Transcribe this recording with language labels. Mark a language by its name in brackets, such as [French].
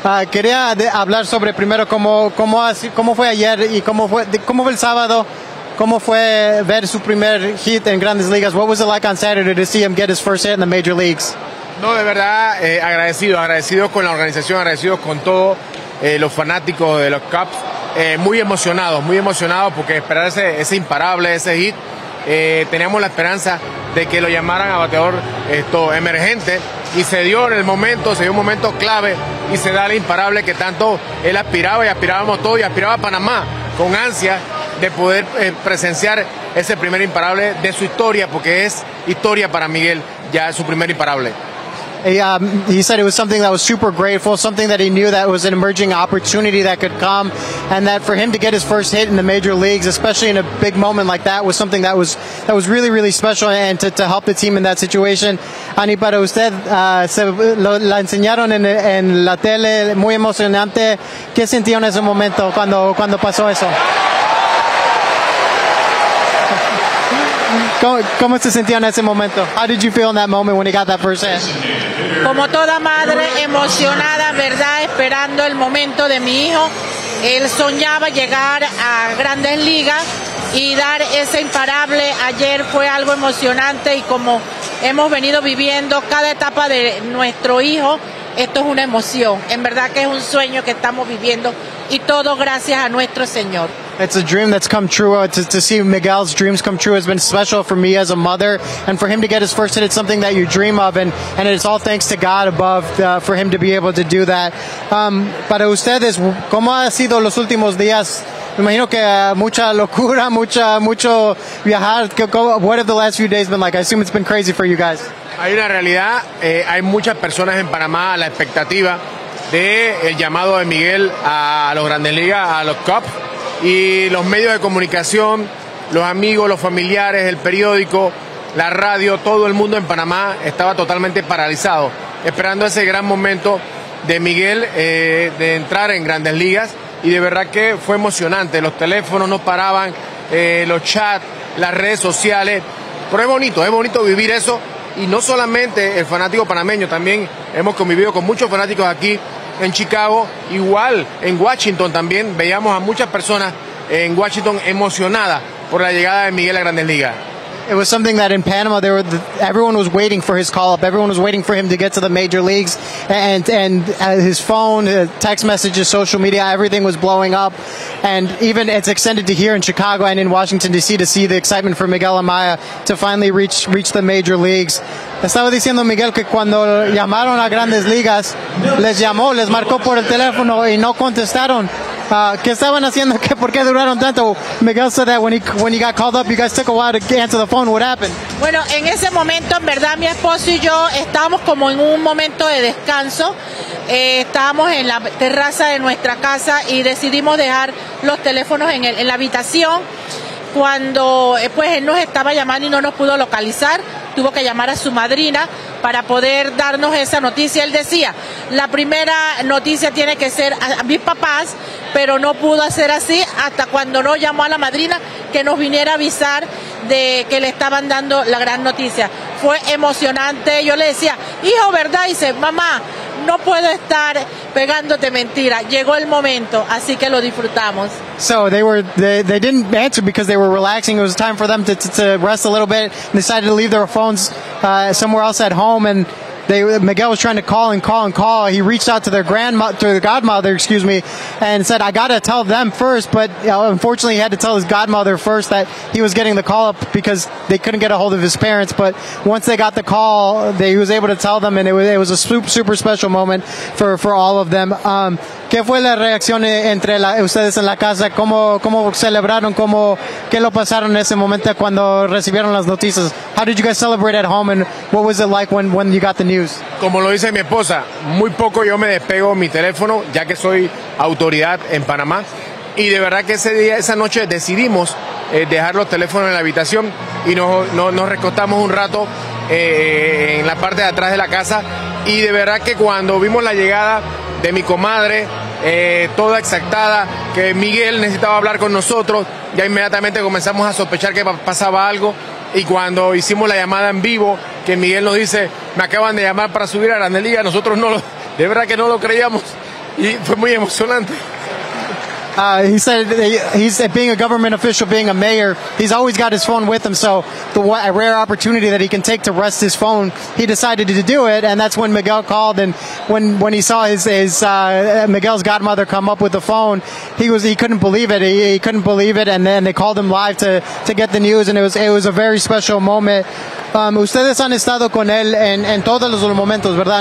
[Spanish] Quería hablar sobre primero cómo fue ayer y cómo fue el sábado, cómo fue ver su primer hit en Grandes Ligas. [English] What was it like on Saturday to see him get his first hit in the major leagues? [Spanish] No, de verdad, agradecido con la organización, agradecido con todo, los fanáticos de los Cubs. Muy emocionado porque esperar ese imparable, ese hit. Teníamos la esperanza de que lo llamaran a bateador emergente. Y se dio en el momento, se dio un momento clave y se da el imparable que tanto él aspiraba y aspirábamos todos y aspiraba a Panamá con ansia de poder presenciar ese primer imparable de su historia, porque es historia para Miguel ya su primer imparable. [English] He said it was something that was super grateful, something that he knew that was an emerging opportunity that could come, and that for him to get his first hit in the major leagues, especially in a big moment like that, was something that was really, really special, and to help the team in that situation. [Spanish] Ani, para usted, la enseñaron en la tele, muy emocionante. ¿Qué sintió en ese momento cuando pasó eso? ¿Cómo se sentía en ese momento? [English] How did you feel in that moment when he got that first hit? [Spanish] Como toda madre emocionada, ¿verdad? Esperando el momento de mi hijo. Él soñaba llegar a Grandes Ligas y dar ese imparable ayer fue algo emocionante, y como hemos venido viviendo cada etapa de nuestro hijo, esto es una emoción. En verdad que es un sueño que estamos viviendo, y todo gracias a nuestro Señor. [English] It's a dream that's come true. To see Miguel's dreams come true has been special for me as a mother, and for him to get his first hit, it's something that you dream of, and it's all thanks to God above for him to be able to do that. [Spanish] Para ustedes, ¿cómo ha sido los últimos días? Me imagino que mucha locura, mucho viajar. [English] What have the last few days been like? I assume it's been crazy for you guys. [Spanish] Hay una realidad. Hay muchas personas en Panamá a la expectativa de el llamado de Miguel a los Grandes Ligas, a los Cubs. Y los medios de comunicación, los amigos, los familiares, el periódico, la radio, todo el mundo en Panamá estaba totalmente paralizado, esperando ese gran momento de Miguel de entrar en Grandes Ligas. Y de verdad que fue emocionante, los teléfonos no paraban, los chats, las redes sociales. Pero es bonito vivir eso. Y no solamente el fanático panameño, también hemos convivido con muchos fanáticos aquí en Chicago, igual en Washington también, veíamos a muchas personas en Washington emocionadas por la llegada de Miguel a Grandes Ligas. [English] It was something that in Panama everyone was waiting for his call up. Everyone was waiting for him to get to the major leagues, and his phone, text messages, social media, everything was blowing up. And even it's extended to here in Chicago and in Washington D.C. to see the excitement for Miguel Amaya to finally reach the major leagues. [Spanish] Estaba diciendo Miguel que cuando llamaron a Grandes Ligas, les llamó, les marcó por el teléfono y no contestaron. ¿Qué estaban haciendo? ¿Por qué duraron tanto? [English] Miguel said that when he got called up, you guys took a while to answer the phone. What happened? [Spanish] Bueno, en ese momento, en verdad, mi esposo y yo estábamos como en un momento de descanso. Estábamos en la terraza de nuestra casa y decidimos dejar los teléfonos en la habitación. Cuando pues él nos estaba llamando y no nos pudo localizar, tuvo que llamar a su madrina para poder darnos esa noticia. Él decía, la primera noticia tiene que ser a mis papás, pero no pudo hacer así hasta cuando no llamó a la madrina que nos viniera a avisar de que le estaban dando la gran noticia. Fue emocionante. Yo le decía, hijo, ¿verdad? Y dice, mamá, no puedo estar pegándote mentira. Llegó el momento, así que lo disfrutamos. [English] So they didn't answer because they were relaxing. It was time for them to rest a little bit. They decided to leave their phones somewhere else at home, and Miguel was trying to call and call and call. He reached out to their godmother, and said, I got to tell them first. But you know, unfortunately, he had to tell his godmother first that he was getting the call up because they couldn't get a hold of his parents. But once they got the call, he was able to tell them, and it was a super, super special moment for all of them. [Spanish] ¿Qué fue la reacción entre ustedes en la casa? ¿Cómo celebraron? ¿Qué lo pasaron en ese momento cuando recibieron las noticias? [English] How did you guys celebrate at home, and what was it like when you got the news? [Spanish] Como lo dice mi esposa, muy poco yo me despego mi teléfono, ya que soy autoridad en Panamá. Y de verdad que ese día, esa noche, decidimos dejar los teléfonos en la habitación y nos recostamos un rato en la parte de atrás de la casa. Y de verdad que cuando vimos la llegada de mi comadre, toda exactada, que Miguel necesitaba hablar con nosotros. Ya inmediatamente comenzamos a sospechar que pasaba algo, y cuando hicimos la llamada en vivo, que Miguel nos dice, me acaban de llamar para subir a Grandes Ligas, nosotros no lo creíamos, y fue muy emocionante. [English] He said he's being a government official, being a mayor, he's always got his phone with him, so the a rare opportunity that he can take to rest his phone, he decided to do it, and that's when Miguel called, and when he saw Miguel's godmother come up with the phone, he couldn't believe it, and then they called him live to get the news, and it was a very special moment. [Spanish] Ustedes han estado con él en todos los momentos, ¿verdad?